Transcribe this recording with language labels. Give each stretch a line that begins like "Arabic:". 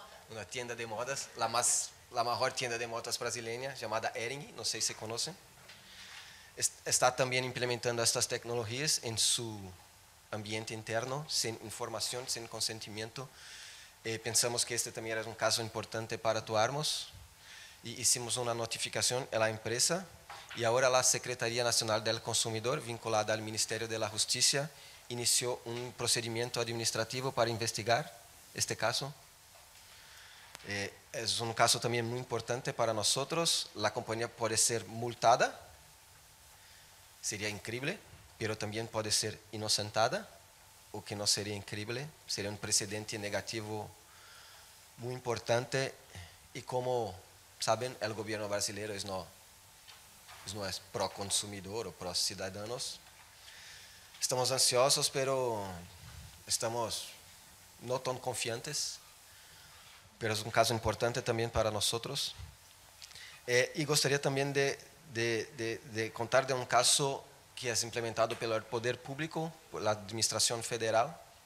Spanish: Una tienda de moda, la mejor tienda de modas brasileña, llamada Hering, no sé si conocen. Está también implementando estas tecnologías en su ambiente interno, sin información, sin consentimiento. Pensamos que este también era un caso importante para actuarmos.
Portuguese: E hicimos uma notificação à empresa e agora a Secretaria Nacional do Consumidor, vinculada ao Ministério da Justiça, iniciou um procedimento administrativo para investigar este caso. É um caso também muito importante para nós. A companhia pode ser multada, seria incrível, mas também pode ser inocentada, o que não seria incrível, seria um precedente negativo muito importante.
Spanish: E como saben, el gobierno brasileño no es pro consumidor o pro ciudadanos. Estamos ansiosos, pero estamos no tan confiantes. Pero es un caso importante también para nosotros. Y gustaría también de contar de un caso que es implementado por el Poder Público, por la Administración Federal.